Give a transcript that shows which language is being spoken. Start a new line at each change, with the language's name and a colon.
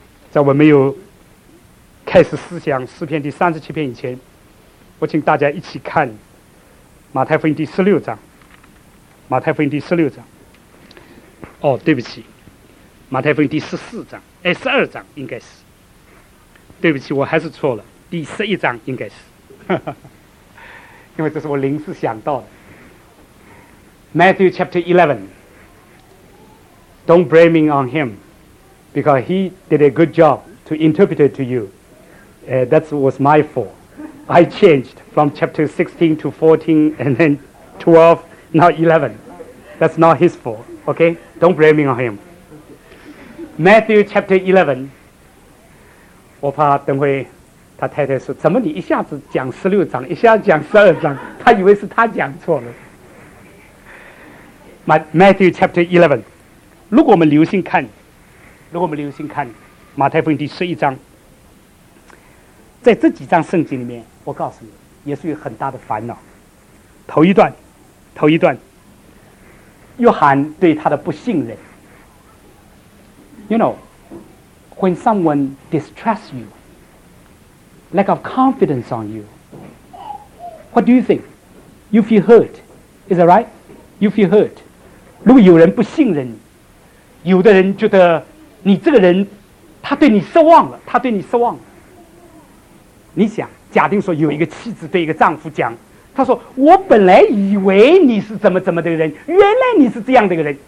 Chinese: 在我没有开始思想诗篇第三十七篇以前，我请大家一起看马太福音第十六章。马太福音第十六章，哦，对不起，马太福音第十四章，哎，十二章应该是，对不起，我还是错了，第十一章应该是，因为这是我临时想到的。
English: Matthew chapter 11, don't blame him on him, because he did a good job to interpret it to you. That was my fault. I changed from chapter 16 to 14 and then 12, now 11. That's not his fault, okay? Don't blame him on him. Matthew chapter 11,
Chinese: 我怕等会他太太说，怎么你一下子讲十六章，一下子讲十二章，他以为是他讲错了。
English: Matthew chapter 11,
Chinese: 如果我们留心看，如果我们留心看马太福音第十一章，在这几章圣经里面，我告诉你，耶稣有很大的烦恼。头一段，约翰对他的不信任。
English: You know, when someone distrusts you, lack of confidence on you, what do you think? You feel hurt. Is that right? You feel hurt.
Chinese: 如果有人不信任你，有的人觉得你这个人，他对你失望了。你想，假定说有一个妻子对一个丈夫讲，他说，我本来以为你是怎么怎么的人，原来你是这样的一个人。